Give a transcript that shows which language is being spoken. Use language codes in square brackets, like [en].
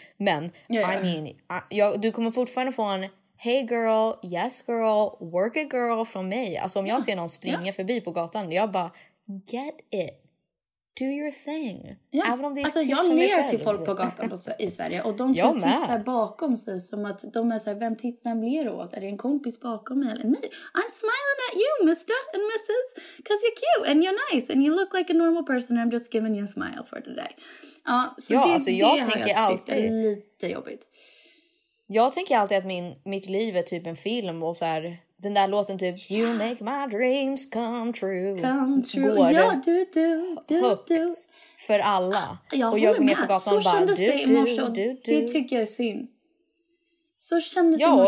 [sv] Men du kommer fortfarande få en [en] hey girl, yes girl, work it girl [sv] från mig. Alltså om jag ser någon springa förbi på gatan, jag bara [en] get it. Do your thing. [sv] Ja. Även om det är alltså, jag ler till folk på gatan i Sverige. Och de tittar bakom sig som att de är så här, vem tittar man ler åt? Är det en kompis bakom mig? Eller nej, [en] I'm smiling at you, mister and mrs. Because you're cute and you're nice. And you look like a normal person. And I'm just giving you a smile for today. [sv] Jag tänker alltid... lite jobbigt. Jag tänker alltid att mitt liv är typ en film och så här... Den där låten typ, [en] you make my dreams come true. [sv] Går du för alla. Jag håller med. Så kändes det i morse. Det tycker jag är synd. Så kändes det i morse